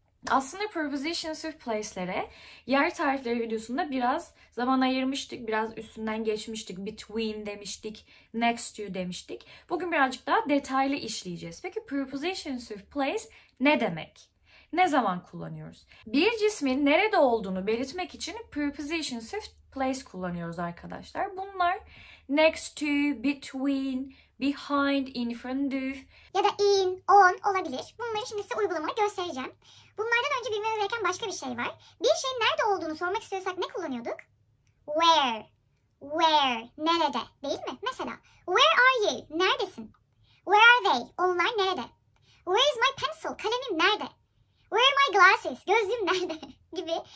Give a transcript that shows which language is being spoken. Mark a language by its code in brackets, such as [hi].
[tr] Aslında Prepositions of Place'lere yer tarifleri videosunda biraz zaman ayırmıştık, biraz üstünden geçmiştik. Between demiştik, next to demiştik. Bugün birazcık daha detaylı işleyeceğiz. Peki Prepositions of Place ne demek? Ne zaman kullanıyoruz? Bir cismin nerede olduğunu belirtmek için Prepositions of Place kullanıyoruz arkadaşlar. Bunlar [en] next to, between, behind, in front of [tr] ya da in, on olabilir. Bunları şimdi size uygulamalı göstereceğim. Bunlardan önce bilmeniz gereken başka bir şey var. Bir şeyin nerede olduğunu sormak istiyorsak ne kullanıyorduk? [en] Where. Where. [tr] Nerede? Değil mi? Mesela [en] where are you? [tr] Neredesin? [en] Where are they? [tr] Onlar nerede? [en] Where is my pencil? [tr] Kalemim nerede? [en] Where are my glasses? [tr] Gözlüğüm nerede? gibi.